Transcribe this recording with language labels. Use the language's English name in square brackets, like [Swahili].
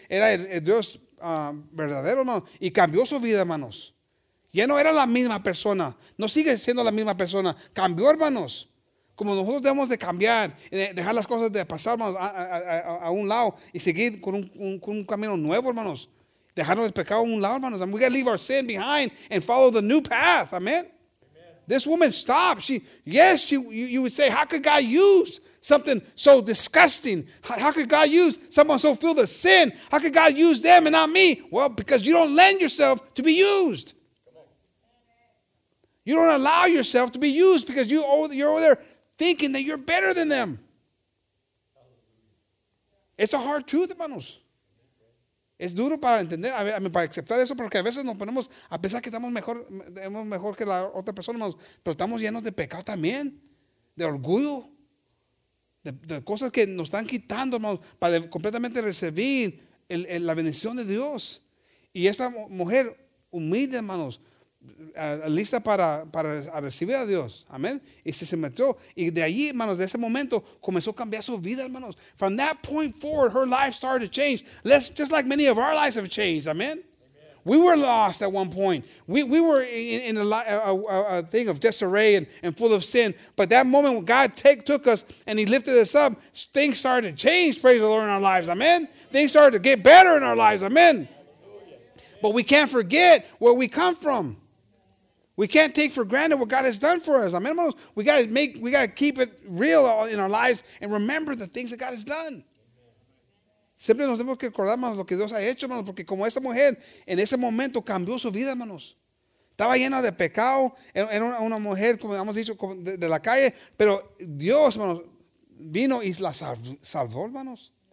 [Spanish] Era el Dios verdadero, hermano. Y cambió su vida, hermanos. Ya no era la misma persona. No sigue siendo la misma persona. Cambió, hermanos. Como nosotros debemos de cambiar, dejar las cosas de pasar, hermanos, a un lado y seguir con un camino nuevo, hermanos. Dejarnos el pecado a un lado, hermanos. [English] And we got to leave our sin behind and follow the new path. Amen. This woman stopped. You would say, how could God use something so disgusting? How could God use someone so filled with sin? How could God use them and not me? Well, because you don't lend yourself to be used. You don't allow yourself to be used because you're over there thinking that you're better than them. It's a hard truth, hermanos. [Spanish] Es duro para entender, para aceptar eso, porque a veces nos ponemos a pensar que estamos mejor que la otra persona, hermanos, pero estamos llenos de pecado también, de orgullo, de cosas que nos están quitando, hermanos, para completamente recibir la bendición de Dios. Y esta mujer humilde, hermanos, lista para recibir a Dios. Amén. Y se metió. Y de allí, hermanos, de ese momento, comenzó a cambiar su vida, hermanos. [English] From that point forward, her life started to change. Just like many of our lives have changed. Amén. We were lost at one point. We were in a thing of disarray and full of sin. But that moment when God took us and he lifted us up, things started to change, praise the Lord, in our lives. Amén. Things started to get better in our lives. Amén. But we can't forget where we come from. We can't take for granted what God has done for us. Amen, hermanos. We got to keep it real in our lives and remember the things that God has done. [Spanish] Siempre nos tenemos que recordar, hermanos, lo que Dios ha hecho, hermanos, porque como esta mujer, en ese momento cambió su vida, hermanos. Estaba llena de pecado, era una mujer, como hemos dicho, de la calle, pero Dios, hermanos, vino y la salvó, hermanos.